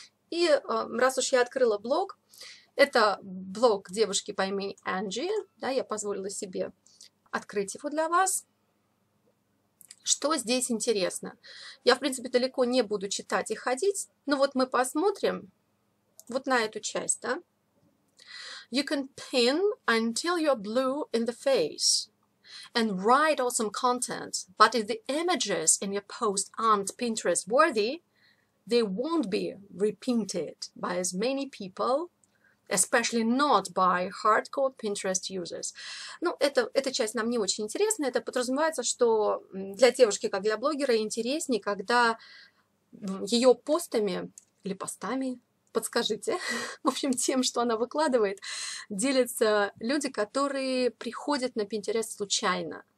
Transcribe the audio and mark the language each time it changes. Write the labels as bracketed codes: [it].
[ru] И раз уж я открыла блог, это блог девушки по имени Анджи, да, я позволила себе открыть его для вас. Что здесь интересно? Я, в принципе, далеко не буду читать и ходить, но вот мы посмотрим вот на эту часть, да? [en] You can pin until you're blue in the face and write awesome content, but if the images in your post aren't Pinterest worthy, they won't be repainted by as many people, especially not by hardcore Pinterest users. [ru] Ну, эта часть нам не очень интересна. Это подразумевается, что для девушки, как для блогера, интереснее, когда ее постами или постами, подскажите, в общем, тем, что она выкладывает, делятся люди, которые приходят на Pinterest случайно.